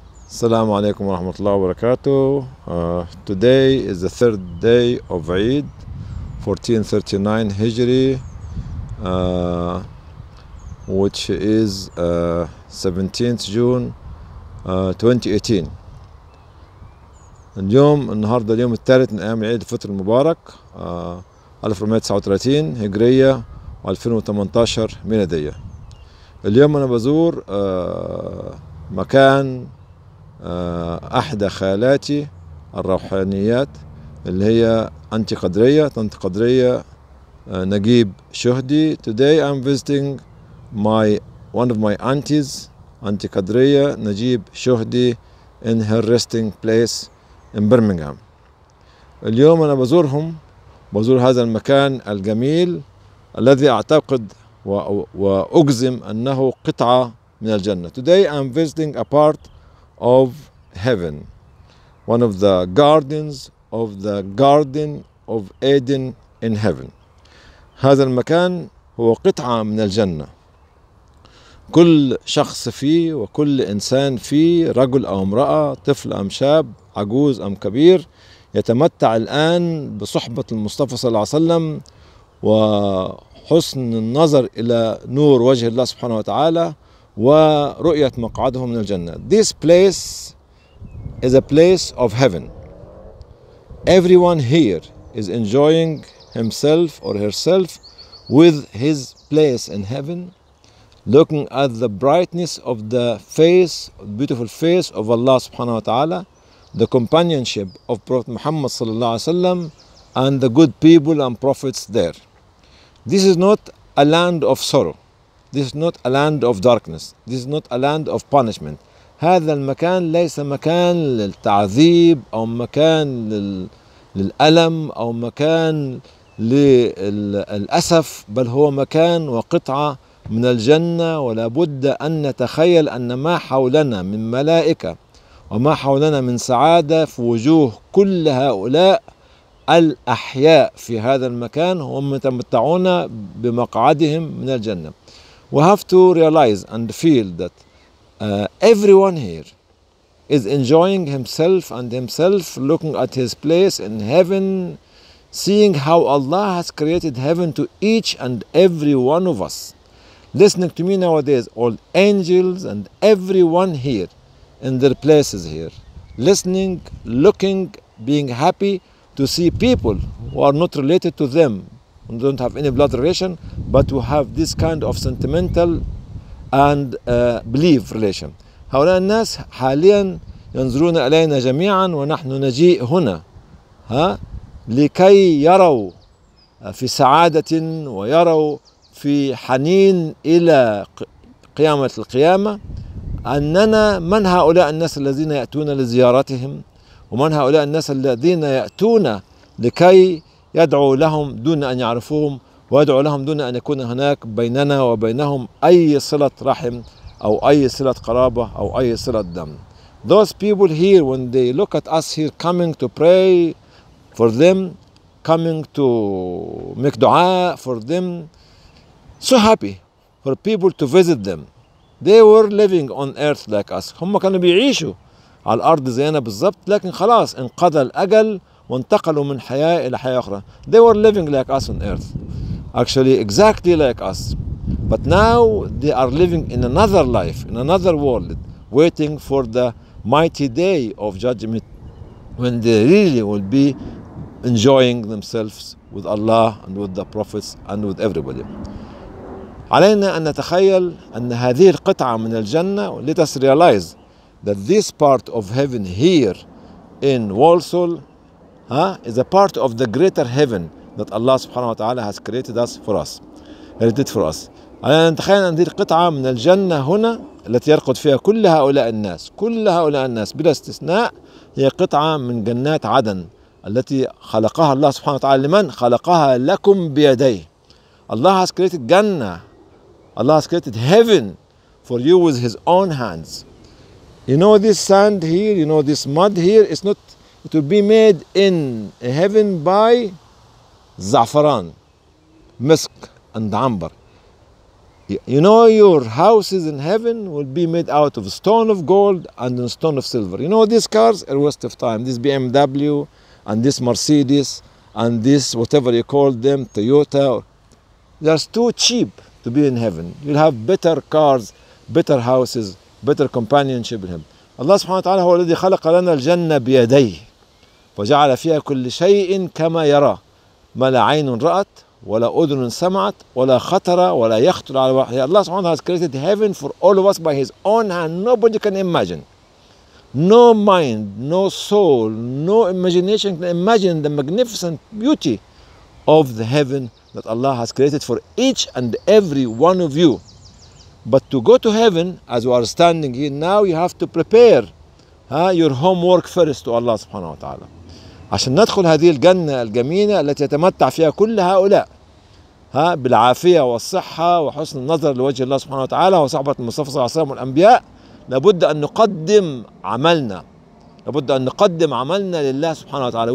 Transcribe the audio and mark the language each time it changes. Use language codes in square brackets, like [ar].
[ar] السلام عليكم ورحمة الله وبركاته. [en] Today is the third day of Eid, 1439 Hijri, which is 17th June 2018. [ar] النهاردة اليوم الثالث من أيام عيد الفطر المبارك 1439 هجرية و 2018 ميلادية. اليوم أنا بزور مكان أحدى خالاتي الروحانيات اللي هي أنتي قدرية طنط قدرية نجيب شهدي. [en] Today I'm visiting one of my aunties, auntie قدرية نجيب شهدي, in her resting place in Birmingham. [ar] اليوم أنا بزور هذا المكان الجميل الذي أعتقد وأجزم أنه قطعة من الجنة. [en] Today I'm visiting a part of heaven, one of the gardens of the Garden of Eden in heaven. [ar] هذا المكان هو قطعة من الجنة. كل شخص فيه وكل إنسان فيه, رجل أو امرأة, طفل أم شاب, عجوز أم كبير, يتمتع الآن بصحبة المصطفى صلى الله عليه وسلم وحسن النظر إلى نور وجه الله سبحانه وتعالى ورؤية مقعده من الجنة. [en] This place is a place of heaven. Everyone here is enjoying himself or herself with his place in heaven, looking at the brightness of the face, beautiful face of Allah subhanahu wa ta'ala, the companionship of Prophet Muhammad sallallahu alaihi wasallam, and the good people and prophets there. This is not a land of sorrow. This is not a land of darkness. This is not a land of punishment. [ar] هذا المكان ليس مكان للتعذيب أو مكان للألم أو مكان للأسف, بل هو مكان وقطعة من الجنة. ولا بد أن نتخيل أن ما حولنا من ملائكة وما حولنا من سعادة في وجوه كل هؤلاء الأحياء في هذا المكان, هم يتمتعون بمقعدهم من الجنة. [en] We have to realize and feel that everyone here is enjoying himself and himself, looking at his place in heaven, seeing how Allah has created heaven to each and every one of us. Listening to me nowadays, all angels and everyone here in their places here, listening, looking, being happy to see people who are not related to them, don't have any blood relation, but to have this kind of sentimental and belief relation. [ar] هؤلاء الناس حاليا ينظرون إلينا جميعا ونحن نجيء هنا لكي يروا في سعادة ويروا في حنين إلى قيامة القيامة أننا من هؤلاء الناس الذين يأتون لزيارتهم, ومن هؤلاء الناس الذين يأتون لكي يدعو لهم دون أن يعرفوهم, ويدعو لهم دون أن يكون هناك بيننا وبينهم أي صلة رحم أو أي صلة قرابة أو أي صلة دم. [en] Those people here, when they look at us here coming to pray for them, coming to make dua for them, so happy for people to visit them. They were living on earth like us. [ar] هم كانوا بيعيشوا على الأرض زينا بالضبط, لكن خلاص انقضى الأجل وانتقلوا من حياة إلى حياة أخرى. [en] They were living like us on earth, actually exactly like us. But now they are living in another life, in another world, waiting for the mighty day of judgment, when they really will be enjoying themselves with Allah and with the prophets and with everybody. [ar] علينا أن نتخيل أن هذه القطعة من الجنة, [en] let us realize that this part of heaven here in Walsall is a part of the greater heaven that Allah subhanahu wa ta'ala has created us for us. [ar] علينا نتخيل أن هذه القطعة من الجنة هنا التي يرقد فيها كل هؤلاء الناس, كل هؤلاء الناس بلا استثناء, هي قطعة من جنات عدن التي خلقها الله سبحانه وتعالى. لمن؟ خلقها لكم بيديه. [en] Allah has created جنة, Allah has created heaven for you with his own hands. You know this sand here, you know this mud here, it's not, it will be made in heaven by زعفران, مسك and amber. You know, your houses in heaven will be made out of stone of gold and stone of silver. You know, these cars are a waste of time. This BMW and this Mercedes and this, whatever you call them, Toyota. That's too cheap to be in heaven. You'll have better cars, better houses, better companionship in heaven. [ar] Allah subhanahu wa ta'ala هو الذي خلق لنا الجنة بيديه وجعل فيها كل شيء كما يرى ما لا عين رأت ولا أذن سمعت ولا خطر ولا يخطر على بال. [en] Allah subhanahu wa ta'ala has created heaven for all of us by His own hand. Nobody can imagine. No mind, no soul, no imagination can imagine the magnificent beauty of the heaven that Allah has created for each and every one of you. But to go to heaven, as we are standing here now, you have to prepare your homework first to Allah subhanahu wa ta'ala. [ar] عشان ندخل هذه الجنة الجميلة التي يتمتع فيها كل هؤلاء بالعافية والصحة وحسن النظر لوجه الله سبحانه وتعالى وصحبة المصطفى صلى الله عليه وسلم والأنبياء، لابد أن نقدم عملنا، لابد أن نقدم عملنا لله سبحانه وتعالى.